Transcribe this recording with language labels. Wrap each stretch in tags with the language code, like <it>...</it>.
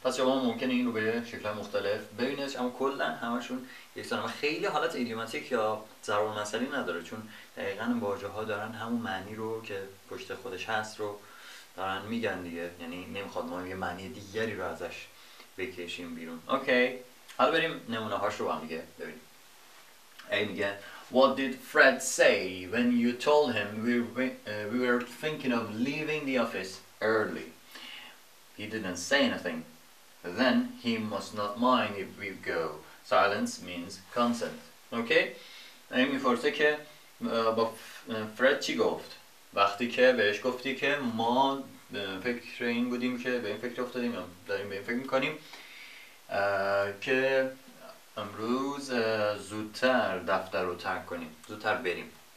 <fa>پس شما ممکنه این رو به شکل مختلف ببینید، اما کلا همشون یکسان و خیلی حالت ایدیوماتیک یا ضرب المثلی نداره، چون دقیقا واژه ها دارن همون معنی رو که پشت خودش هست رو دارن میگن دیگه، یعنی نمیخواد ما یه معنی دیگری رو ازش بکشیم بیرون. اوکی، حالا بریم نمونه هاش رو با هم دیگه ببینیم. ای میگه</fa> <en>What did Fred say when you told him we were thinking of leaving the office early? He didn't say anything. Then he must not mind if we go. Silence means consent. Okay?</en> <fa>این میفرسه که با فرد چی گفت؟ وقتی که بهش گفتی که ما فکر این بودیم که به این فکر افتادیم یا داریم به این فکر میکنیم که امروز زودتر دفتر رو ترک کنیم، زودتر بریم.</fa>